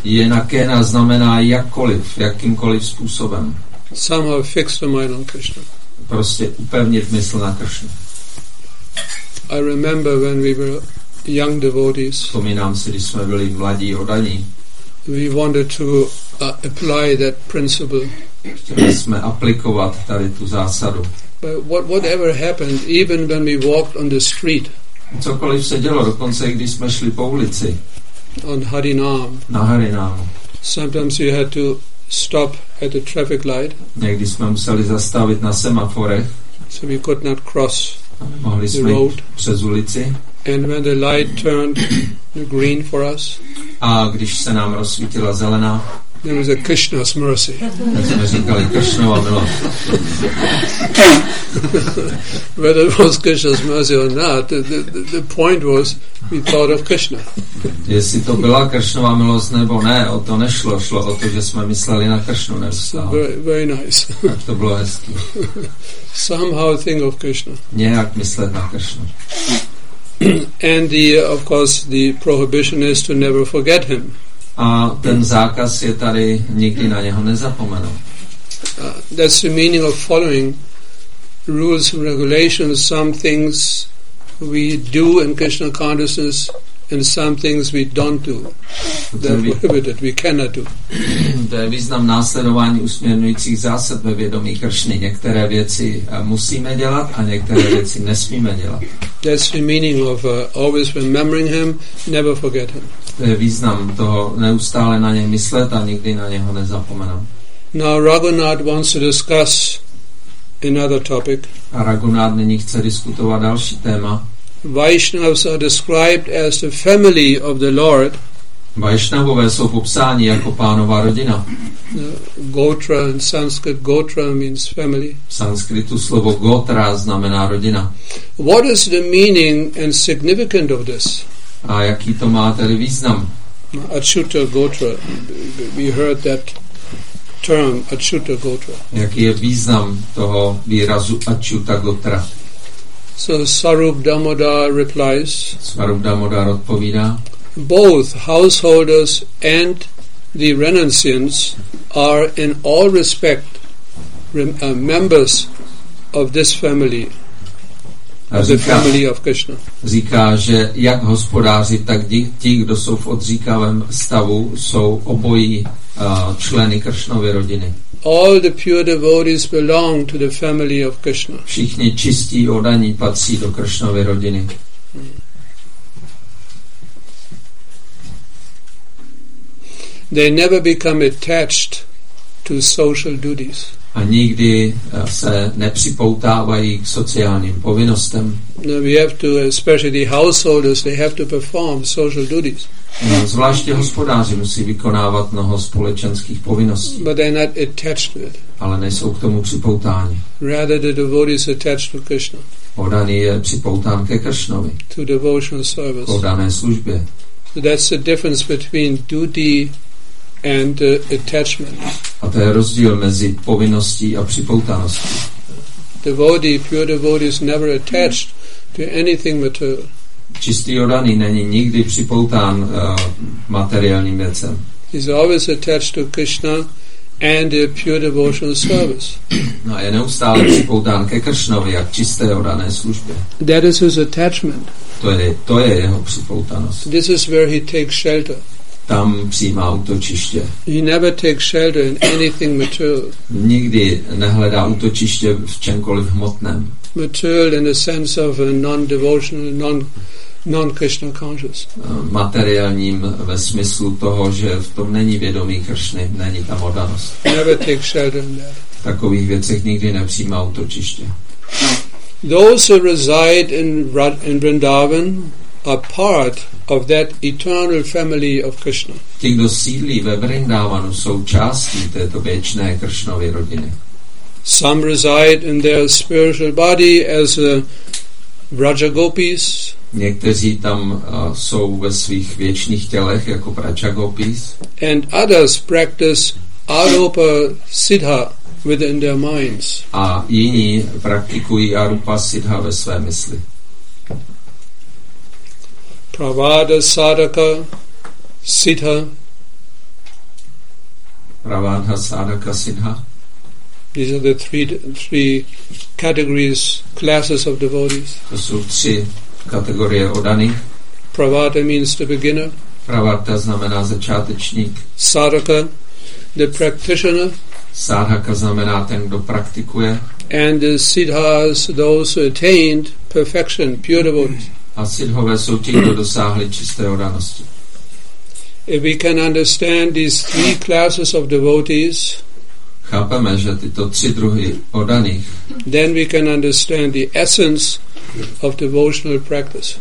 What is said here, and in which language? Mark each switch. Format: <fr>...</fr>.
<cs>Jena kena znamená jakkoliv, jakýmkoliv způsobem.</cs> <en>Somehow fix the mind on Krishna.</en> <cs>Prostě upevnit mysl na Krishnu.</cs> <en>I remember when we were young devotees.</en> <cs>Vzpomínám si, když jsme byli mladí oddaní.</cs> <en>We wanted to apply that principle.</en> <cs>Chtěli jsme aplikovat tady tu zásadu.</cs> <en>But whatever happened, even when we walked on the street.</en> <cs>Cokoliv se dělo, dokonce i když jsme šli po ulici.</cs> <en>On Harinam.</en> <cs>Na Harinam.</cs> <en>Sometimes you had to stop at the traffic light.</en> <cs>Někdy jsme museli zastavit na semaforech.</cs> <en>So we could not cross</en> <cs>mohli</cs> <en>the road.</en> <cs>Přes ulici.</cs> <en>And when the light turned green for us.</en> <cs>A když se nám rozsvítila zelená.</cs> <en>There was a Krishna's mercy.</en> <cs>Jsme říkali Krishnova milost.</cs> <en>Whether it was Krishna's mercy or not, the point was we thought of Krishna.</en> <cs>Jestli to byla Krishnova milost nebo ne, o to nešlo. Šlo o to, že jsme mysleli na Krishnu.</cs> <en>Very nice.</en> <cs>Tak to bylo hezký.</cs> <en>Somehow think of Krishna.</en> <cs>Nějak myslet na Krishnu.</cs> <en>And of course the prohibition is to never forget him.</en> <cs>A ten zákaz je tady nikdy na něho nezapomenout.</cs> <en>That's the meaning of following rules and regulations, some things we do in Krishna consciousness and some things we don't do. That are prohibited, we cannot do.</en> <cs>To je význam následování usměrňujících zásad ve vědomí Kršny. Některé věci musíme dělat a některé věci nesmíme dělat.</cs> <en>That's the meaning of always remembering him, never forget him.</en> <cs>To je význam toho neustále na něj myslet a nikdy na něho nezapomenout.</cs> <en>Now Raghunath wants to discuss another topic.</en> <cs>A Raghunath nyní chce diskutovat další téma.</cs> <en>Vaishnavas are described as the family of the Lord.</en> <cs>Vaishnavové jsou popsáni jako pánová rodina.</cs> <en>Gotra in Sanskrit, gotra means family.</en> <cs>V sanskritu slovo gotra znamená rodina.</cs> <en>What is the meaning and significance of this?</en> <cs>A jaký to má tedy význam?</cs> <en>Achyuta gotra, we heard that term Achyuta gotra.</en> <cs>Jaký je význam toho výrazu Achyuta gotra?</cs> <en>So Sarup Damodar replies.</en> <cs>Sarup Damodar odpovídá.</cs> <en>Both householders and the renunciants are in all respect members of this family,</en> <cs>říká,</cs> <en>the family of Krishna.</en> <cs>Říká, že jak hospodáři, tak ti, kdo jsou v odříkavém stavu, jsou obojí členy Kršnovy rodiny.</cs> <en>All the pure devotees belong to the family of Krishna.</en> <cs>Všichni čistí oddaní patří do Kršnovy rodiny.</cs> <en>They never become attached to social duties.</en> <cs>A nikdy se nepřipoutávají k sociálním povinnostem.</cs> <en>No, we have to, especially the householders, they have to perform social duties.</en> <cs>No, zvláště hospodáři musí vykonávat mnoho společenských povinností.</cs> <en>But they're not attached to it.</en> <cs>Ale nejsou k tomu připoutáni.</cs> <en>Rather the devotee is attached to Krishna.</en> <cs>Oddaný je připoután ke Kršnovi.</cs> <en>To devotional service.</en> <cs>Oddané službě.</cs> <en>So that's the difference between duty and attachment.</en> <cs>A to je rozdíl mezi povinností a připoutaností.</cs> <en>Devotee, pure devotee is never attached to anything material.</en> <cs>Čistý oddaný není nikdy připoután materiálním věcem.</cs> <en>He's always attached to Krishna and the pure devotional service.</en> <cs>No, je neustále připoután ke Kršnovi a čisté oddané službě.</cs> <en>That is his attachment.</en> <cs>To je jeho připoutanost.</cs> <en>This is where he takes shelter.</en> <cs>Tam přijímá útočiště.</cs> <en>He never takes shelter in anything material.</en> <cs>Nikdy nehledá útočiště v čemkoliv hmotném.</cs> <en>Material in the sense of a non-devotional, non-Krishna conscious.</en> <cs>Materiálním ve smyslu toho, že v tom není vědomí Kršny, není tam oddanost.</cs> <en>Never take shelter in that.</en> <cs>V takových věcech nikdy nepřijímá útočiště.</cs> <en>Those who reside in Vrindavan are part of that eternal family of Krishna.</en> <cs>Ti, kdo sídlí ve Vrindavanu, jsou částí této věčné Kršnovy rodiny.</cs> <en>Some reside in their spiritual body as Rajagopis.</en> <cs>Někteří tam jsou ve svých věčných tělech jako Rajagopis.</cs> <en>And others practice Arupa Siddha within their minds.</en> <cs>A jiní praktikují Arupa Siddha ve své mysli.</cs> <sa>Pravada Sadaka Siddha. Pravada Sadaka Siddha.</sa> <en>These are the three categories, classes of devotees.</en> <cs>To jsou tři kategorie oddaných.</cs> <en>Pravada means the beginner.</en> <cs>Pravada znamená začátečník.</cs> <en>Sadaka, the practitioner.</en> <cs>Sadhaka znamená ten, kdo praktikuje.</cs> <en>And the siddhas, those who attained perfection, pure devotees.</en> <cs>A siddhové jsou ti, kdo dosáhli čisté oddanosti.</cs> <en>If we can understand these three classes of devotees,</en> <cs>chápeme, že tyto tři druhy oddaných,</cs> <en>then we can understand the essence of devotional practice.</en>